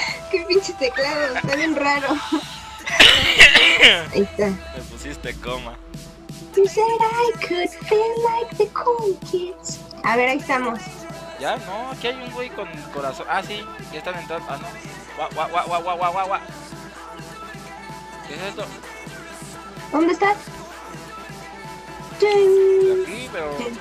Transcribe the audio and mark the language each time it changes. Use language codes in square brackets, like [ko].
[es] Qué pinche teclado, está bien raro. Ahí está. Me pusiste coma. [en] You said I could feel like the cool kids. [es] A ver, ahí estamos. Ya, no, aquí hay un güey con corazón. Ah, sí, ya están en todo. Ah, no. Guau. ¿Qué es esto? ¿Dónde estás? De aquí, pero...